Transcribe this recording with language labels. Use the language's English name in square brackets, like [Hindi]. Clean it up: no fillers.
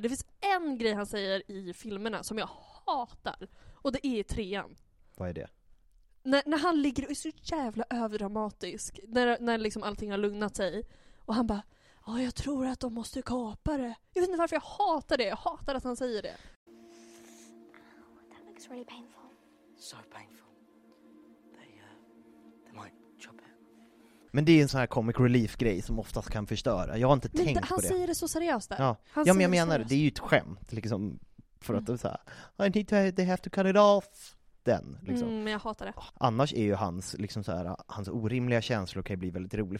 [Swedish] Det finns en grej han säger i filmerna som jag hatar. Och det är trean. Vad är det? När han ligger och är så jävla överdramatisk, när liksom allting har lugnat sig, och han bara, ja, jag tror att de måste kapa det. Jag vet inte varför jag hatar det. Jag hatar att han säger det. [English] Oh, that looks really painful. So painful. They might chop it. [Swedish] Men det är en sån här comic relief-grej som oftast kan förstöra. Jag har inte men tänkt på det. Han säger det så seriöst där. Ja, ja, men jag menar, det är ju ett skämt. Liksom, för att de säger, [English] I need to, they have to cut it off. [Swedish] Den, liksom. Men jag hatar det. Annars är ju hans, liksom så här, hans orimliga känslor kan ju bli väldigt rolig.